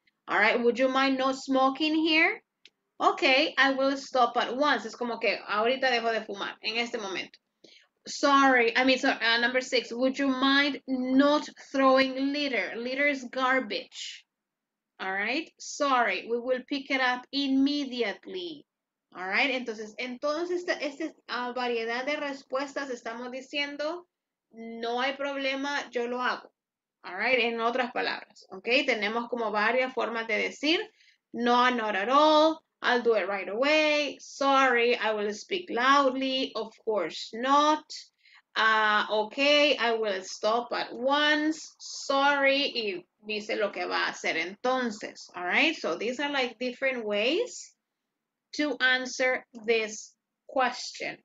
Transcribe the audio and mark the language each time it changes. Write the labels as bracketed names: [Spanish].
[English] All right, would you mind not smoking here? Okay, I will stop at once. [Spanish] Es como que ahorita dejo de fumar, en este momento. [English] Sorry, I mean, sorry, number six. Would you mind not throwing litter? Litter is garbage. All right? Sorry, we will pick it up immediately. All right? [Spanish] Entonces, en toda esta variedad de respuestas estamos diciendo, no hay problema, yo lo hago. [English] All right? [Spanish] En otras palabras, okay? Tenemos como varias formas de decir, no, [English] not at all. I'll do it right away. Sorry, I will speak loudly. Of course not. Okay, I will stop at once. Sorry, [Spanish] y dice lo que va a hacer entonces. [English] All right, so these are like different ways to answer this question.